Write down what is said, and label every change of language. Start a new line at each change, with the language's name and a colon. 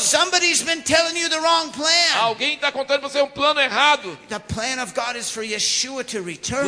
English: Somebody's been telling you the wrong plan.
Portuguese: Alguém está contando para você um plano errado.
English: The plan of God is for Yeshua to return.